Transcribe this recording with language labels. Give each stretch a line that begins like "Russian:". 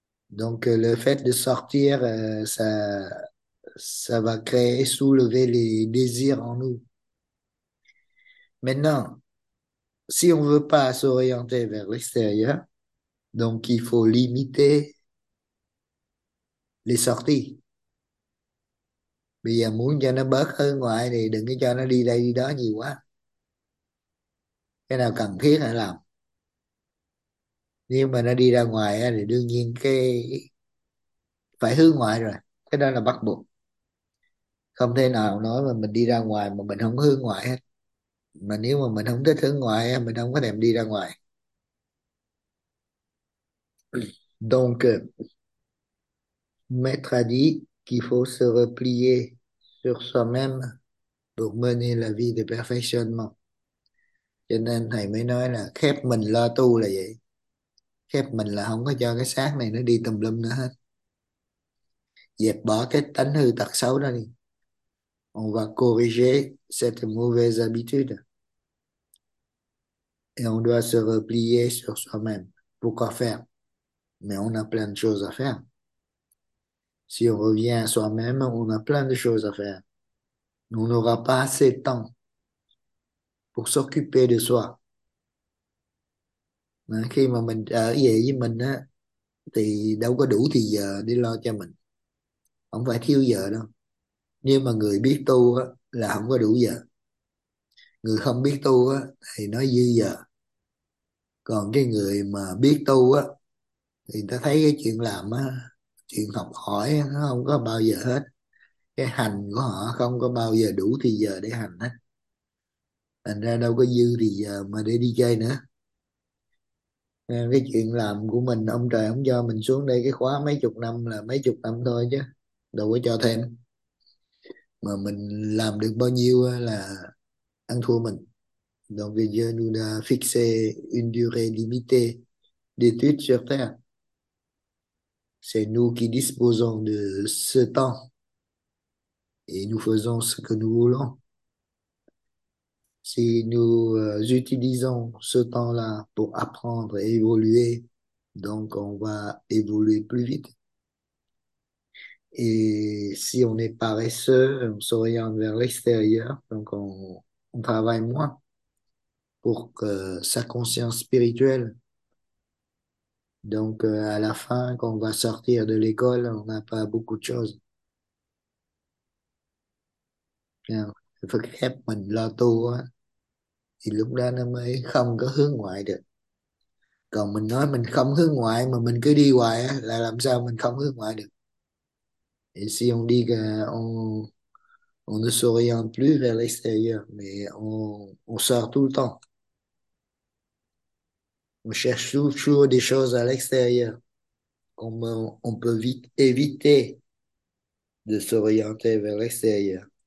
French: Donc, le fait de sortir, ça va créer, soulever les désirs en nous. Maintenant, si on veut pas s'orienter vers l'extérieur, donc il faut limiter les sorties.
Vietnamese: Bây giờ muốn cho nó bớt ở ngoài thì đừng có cho nó đi đây đi đó nhiều quá. Cái nào cần thiết là làm. Nhưng mà nó đi ra ngoài thì đương nhiên cái phải hướng ngoại rồi. Cái đó là bắt buộc. Không thể nào nói mà mình đi ra ngoài mà mình không hướng ngoại hết. Mà nếu mà mình không thích hướng ngoại, mình không có thèm đi ra ngoài.
French: Maître a dit qu'il faut se replier sur soi-même pour mener la vie de perfectionnement.
Vietnamese: Cho nên thầy mới nói là khép mình lo tu là vậy. Khép mình là không có cho cái xác này nó đi tùm lum nữa hết. Dẹp bỏ cái tánh hư tật xấu đó đi.
French: On va corriger cette mauvaise habitude. Et on doit se replier sur soi-même. Pourquoi faire? Mais on a plein de choses à faire. Si on revient à soi-même, on a plein de choses à faire. On n'aura pas assez de temps pour s'occuper de soi.
Vietnamese: Mà khi mà mình ở vậy với mình á, thì đâu có đủ thì giờ để lo cho mình. Không phải thiếu giờ đâu. Nhưng mà người biết tu á, là không có đủ giờ. Người không biết tu á, thì nói dư giờ. Còn cái người mà biết tu á, thì ta thấy cái chuyện làm á, chuyện học hỏi nó không có bao giờ hết, cái hành của họ không có bao giờ đủ thì giờ để hành hết, thành ra đâu có dư thì giờ mà để đi chơi nữa. Cái chuyện làm của mình ông trời không cho mình xuống đây cái khóa mấy chục năm là mấy chục năm thôi chứ đâu có cho thêm, mà mình làm được bao nhiêu là ăn thua mình.
French: Donc vì Dieu nous a fixé une durée limitée d'études sur Terre. C'est nous qui disposons de ce temps et nous faisons ce que nous voulons. Si nous utilisons ce temps-là pour apprendre et évoluer, donc on va évoluer plus vite. Et si on est paresseux, on s'oriente vers l'extérieur, donc on travaille moins pour que sa conscience spirituelle. Donc à la fin, quand on va sortir de l'école, on n'a pas beaucoup de choses. Bien. Il faut
Vietnamese: khép mình lo tu á. Thì lúc đó nó mới không có hướng ngoại được. Còn mình nói mình không hướng ngoại mà mình cứ đi hoài á, là làm sao mình không hướng ngoại được.
French: Et si on dit qu'on on ne s'oriente plus vers l'extérieur, mais on sort tout le temps. On cherche toujours des choses à l'extérieur. On peut vite éviter de s'orienter vers l'extérieur.